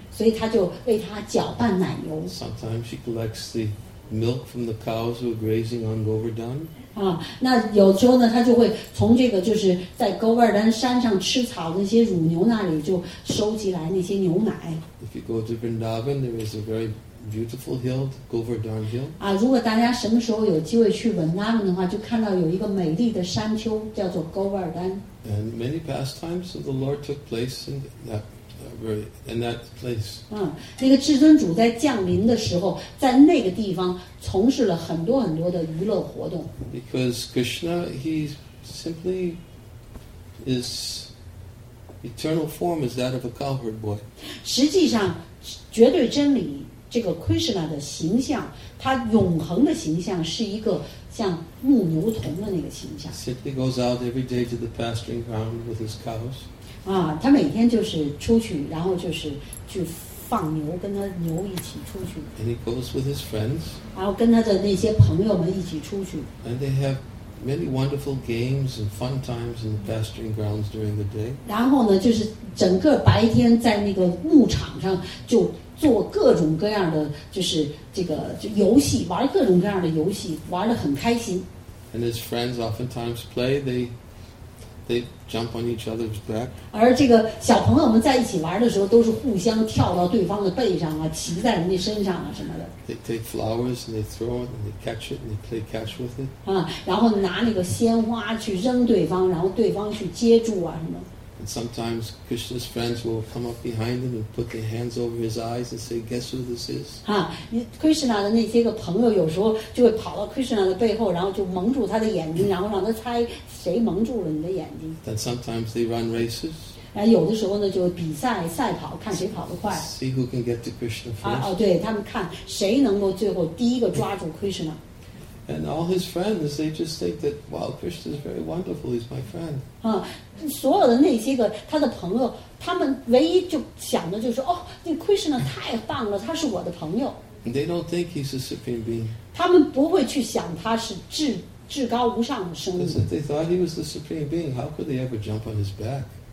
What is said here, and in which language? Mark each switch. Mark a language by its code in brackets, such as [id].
[zh] 所以她就为他搅拌奶油。 [en] Sometimes she collects the milk from the cows who are grazing on Govardhan. [zh] 啊，那有时候呢，她就会从这个就是在 Govardhan 山上吃草的那些乳牛那里就收集来那些牛奶。 [en] If you go to Vrindavan, there is a very beautiful hill, Govardhan Hill. [zh] 啊，如果大家什么时候有机会去 Vrindavan 的话，就看到有一个美丽的山丘叫做 Govardhan. [en] And many pastimes of the Lord took place in that. In that place. [zh] 那个至尊主在降临的时候，在那个地方从事了很多很多的娱乐活动。 [en] Because Krishna, he simply is eternal form is that of a cowherd boy. [zh] 实际上，绝对真理这个 Krishna 的形象，他永恒的形象是一个像牧牛童的那个形象。 [en] Simply goes out every day to the pasturing ground with his cows. [zh] 啊，他每天就是出去，然后就是去放牛，跟他牛一起出去。 [en] And he goes with his friends. [zh] 然后跟他的那些朋友们一起出去。 [en] And they have many wonderful games and fun times in the pasturing grounds during the day. [zh] 然后呢，就是整个白天在那个牧场上就做各种各样的，就是这个就游戏，玩各种各样的游戏，玩得很开心。 [en] And his friends oftentimes play. They jump on each other's back. [zh] 而这个小朋友们在一起玩的时候，都是互相跳到对方的背上啊，骑在人家身上啊什么的。 [en] They take flowers and they throw it and they catch it and they play catch with it. [zh] 啊，然后拿那个鲜花去扔对方，然后对方去接住啊什么。 [en] And sometimes Krishna's friends will come up behind him and put their hands over his eyes and say, "Guess who this is?" [zh] 啊 ，Krishna 的那些个朋友有时候就会跑到 Krishna 的背后，然后就蒙住他的眼睛，然后让他猜谁蒙住了你的眼睛。 [en] Then sometimes they run races. [zh] 然后有的时候呢，就比赛赛跑，看谁跑得快。 [en] See who can get to Krishna first. [zh] 啊，哦，对他们看谁能够最后第一个抓住 Krishna。 [en] And all his friends, they just think that, wow, Krishna is very wonderful, he's my friend. [zh] 所有的那些个他的朋友，他们唯一就想的就是，哦，那 Krishna 太棒了，他是我的朋友。 [en] They don't think he's a supreme being. [zh] 他们不会去想他是至高无上的生命。 [en] Because if they thought he was the supreme being, how could they ever jump on his back?